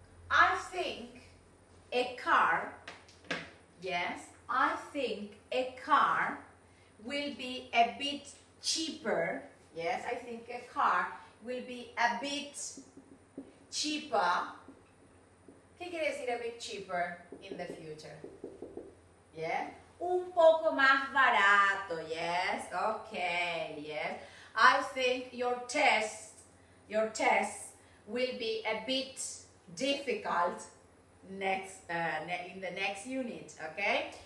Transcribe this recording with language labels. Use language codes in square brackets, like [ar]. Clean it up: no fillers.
[en] I think a car, yes, I think a car will be a bit cheaper, yes, I think a car will be a bit cheaper. [es] ¿Qué quiere decir [en] a bit cheaper in the future? Yeah, [es] un poco más barato, [en] yes, okay, yes. I think your test will be a bit difficult in the next unit, okay?